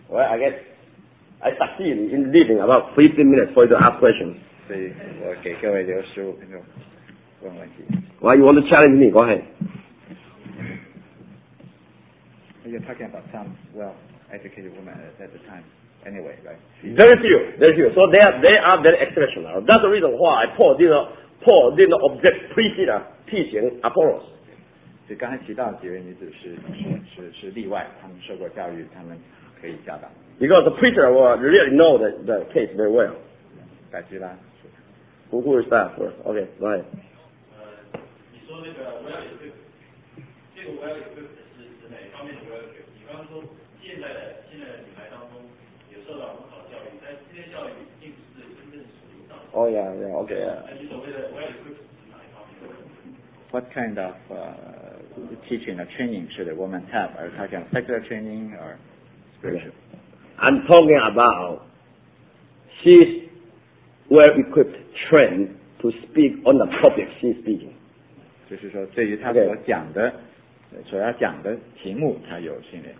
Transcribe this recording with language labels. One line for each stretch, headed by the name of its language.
English: Well, I guess I succeed in leaving about 15 minutes for you to ask questions.
Chinese: 所以我给各位留十五分钟问问题。
English: Why you want to challenge me? Go ahead. You're talking about some well-educated women at the time. Anyway, right? Very few, very few. So they are very exceptional. That's the reason why Paul didn't object teaching Apollos.
Chinese: 就刚才提到几位女子是例外，她们受过教育，她们可以教导。
English: Because the preacher will really know the case very well.
Chinese: 感激啦。
English: Who is that first? Okay, go ahead.
Chinese: 你说那个
English: well equipped,
Chinese: 这个 well equipped 是指哪一方面的 well equipped? 你刚刚说现在的女孩当中有受到很好的教育，但今天教育并不是真正属于上帝。
English: Oh yeah, yeah, okay, yeah.
Chinese: 你所谓的
English: well equipped
Chinese: 是哪一方面的？
English: What kind of teaching or training should a woman have? Are you talking about secular training or spiritual? Okay. I'm talking about she's well equipped. Trained to speak on the topic she's speaking.
Chinese: 就是说，对于他所讲的、okay. 所要讲的题目，他有训练。